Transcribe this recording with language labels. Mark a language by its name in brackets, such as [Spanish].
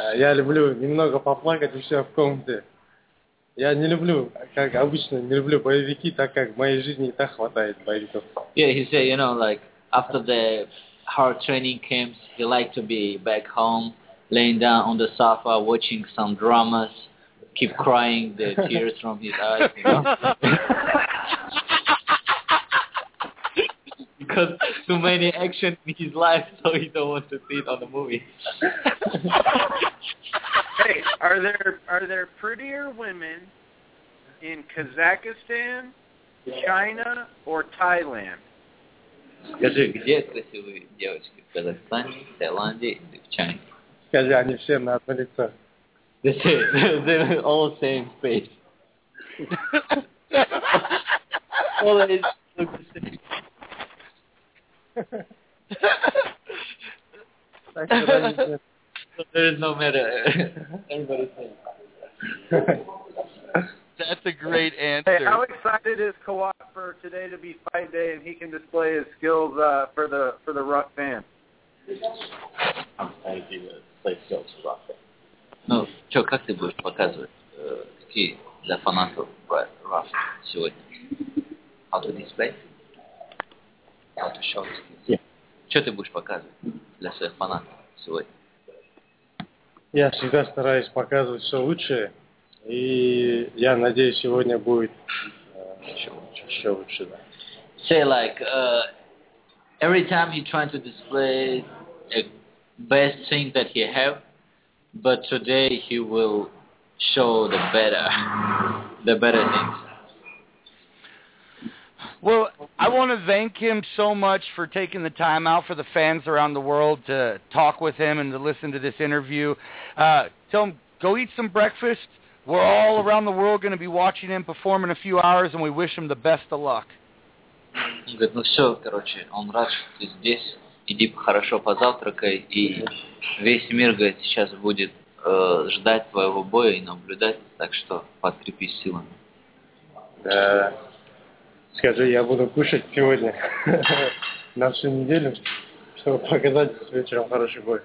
[Russian] Я люблю немного поплакать у себя в комнате. Я не люблю, как обычно, не люблю боевики, так как в моей жизни и так хватает боевиков. [English] Yeah, he said, you know, like, after the hard training camps, he liked to be back home, laying down on the sofa, watching some dramas, keep crying the tears from his eyes. You know? Because too many action in his life, so he don't want to see it on the movie. Hey, are there prettier women in Kazakhstan, China, or Thailand? [Russian] Скажи, где красивые девочки? В Казахстане, в Таиланде или в Чайне? Скажи, они все на одно лицо. [English] They're all the same face. All the ages look the same. There is no matter. Everybody's the same. That's a great answer. Hey, how excited is Kawhi for today to be fight day and he can display his skills for the Ruff fan? I'm excited to play skills for Ruff. [Russian] Ну, что, как ты будешь показывать, какие для фанатов Ruff сегодня? [English] How to display? How to show skills? Yeah. [Russian] Что ты будешь показывать для своих фанатов сегодня? Я всегда стараюсь показывать все лучшее. И я надеюсь, сегодня будет еще лучше. Да. [English] Say like every time he trying to display the best thing that he have, but today he will show the better things. Well, I want to thank him so much for taking the time out for the fans around the world to talk with him and to listen to this interview. Tell him go eat some breakfast. We're all around the world going to be watching him perform in a few hours, and we wish him the best of luck. [Russian] Он говорит, ну все, короче, он рад, что ты здесь. Иди хорошо позавтракай, и весь мир, говорит, сейчас будет ждать твоего боя и наблюдать, так что подкрепись силами. Да. Скажи, я буду кушать сегодня на всю неделю, чтобы показать вечером хороший бой.